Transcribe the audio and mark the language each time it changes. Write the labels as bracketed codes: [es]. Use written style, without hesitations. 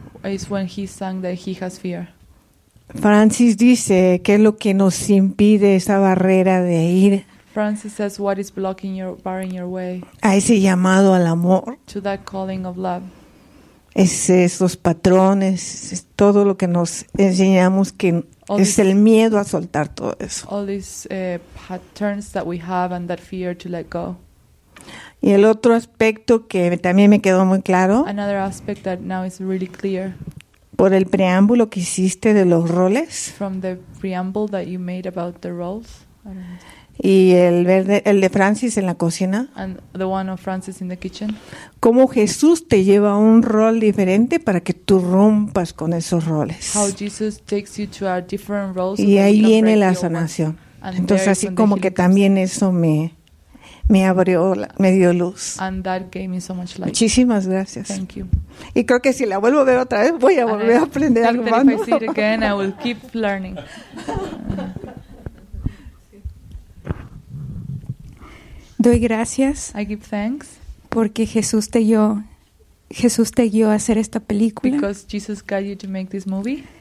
[en] It's when he sang that he has fear. [es] Francis dice, ¿qué es lo que nos impide esa barrera de ir? [en] Francis says, what is blocking your, barring your way? [es] A ese llamado al amor. [en] To that calling of love. [es] Esos patrones, es todo lo que nos enseñamos que [en] all [es] es [en] these, [es] el miedo a soltar todo eso. [en] All these patterns that we have and that fear to let go. [es] Y el otro aspecto que también me quedó muy claro. [en] Another aspect that now is really clear. [es] Por el preámbulo que hiciste de los roles. [en] From the preamble that you made about the roles. [es] Y el verde, el de Francis en la cocina. [en] And the one of Francis in the kitchen. [es] Cómo Jesús te lleva a un rol diferente para que tú rompas con esos roles. [en] How Jesus takes you to a different role. [es] Y ahí viene la sanación. Entonces así como que también eso me abrió, me dio luz. [en] And that gave me so much light. [es] Muchísimas gracias. [en] Thank you. [es] Y creo que si la vuelvo a ver otra vez voy a volver a aprender algo más. [en] If I see it again, I will keep learning. [es] Doy gracias. [en] I give thanks. [es] Porque Jesús te guió a hacer esta película. [en] Because Jesus guided you to make this movie.